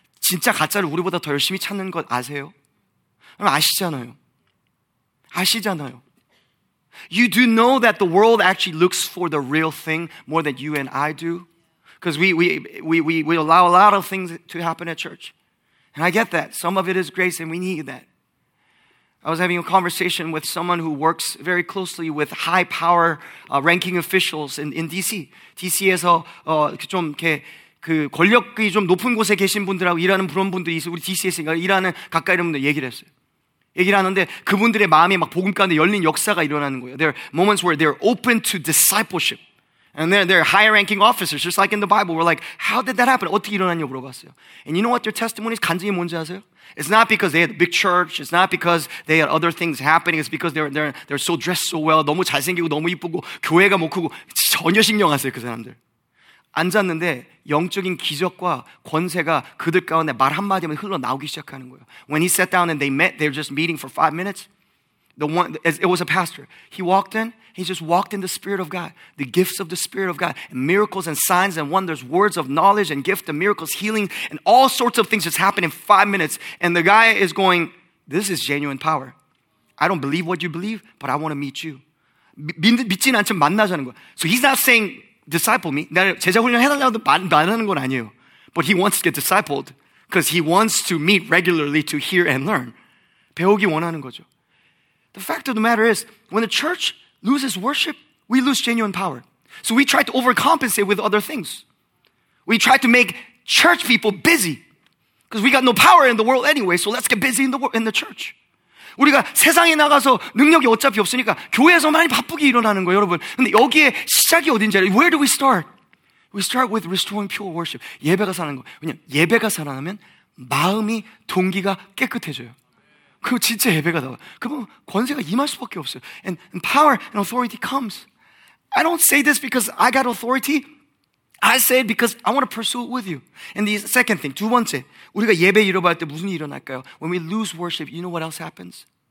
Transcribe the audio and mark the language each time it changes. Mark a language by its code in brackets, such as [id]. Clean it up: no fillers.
[ko] 진짜 가짜를 우리보다 더 열심히 찾는 것 아세요? 아시잖아요. 아시잖아요. [en] You do know that the world actually looks for the real thing more than you and I do. Because we allow a lot of things to happen at church. And I get that. Some of it is grace and we need that. I was having a conversation with someone who works very closely with high power ranking officials in DC. [ko] DC에서 좀 이렇게 그 권력이 좀 높은 곳에 계신 분들하고 일하는 그런 분들이 있어요. 우리 DC에서 일하는 가까이 있는 분들 얘기를 했어요. 얘기를 하는데 그분들의 마음이 막 복음 가운데 열린 역사가 일어나는 거예요. [en] There are moments where they're open to discipleship. And they're high-ranking officers, just like in the Bible. We're like, how did that happen? [ko] 어떻게 일어났냐고 물어봤어요. [en] And you know what their testimony is? [ko] 간증이 뭔지 아세요? [en] It's not because they had a big church. It's not because they had other things happening. It's because they're so dressed so well. [ko] 너무 잘생기고 너무 이쁘고 교회가 뭐 크고 전혀 신경 안 써요, 그 사람들. 앉았는데 영적인 기적과 권세가 그들 가운데 말 한마디만 흘러나오기 시작하는 거예요. [en] When he sat down and they met, they were just meeting for 5 minutes. It was a pastor. He walked in. He just walked in the Spirit of God, the gifts of the Spirit of God, and miracles and signs and wonders, words of knowledge and gift and miracles, healing, and all sorts of things just happened in 5 minutes. And the guy is going, this is genuine power. I don't believe what you believe, but I want to meet you. [ko] 믿진 않지만 만나자는 거야. [en] So he's not saying, disciple me. [ko] 나를 제자 훈련 해달라고도 말하는 건 아니에요. [en] But he wants to get discipled because he wants to meet regularly to hear and learn. [ko] 배우기 원하는 거죠. [en] The fact of the matter is, when the church loses worship, we lose genuine power. So we try to overcompensate with other things. We try to make church people busy because we got no power in the world anyway, so let's get busy in the church. [ko] 우리가 세상에 나가서 능력이 어차피 없으니까 교회에서 많이 바쁘게 일어나는 거예요, 여러분. 근데 여기에 시작이 어딘지 알아요? [en] Where do we start? We start with restoring pure worship. [ko] 예배가 사는 거. 왜냐? 예배가 살아나면 마음이 동기가 깨끗해져요. 그 진짜 예배가 나와. 그럼 권세가 임할 수밖에 없어요. [en] And power and authority comes. I don't say this because I got authority. I say it because I want to pursue it with you. And the second thing, [ko] 두 번째, 우리가 예배 잃어버릴 때 무슨 일이 일어날까요? [en] When we lose worship, you know what else happens?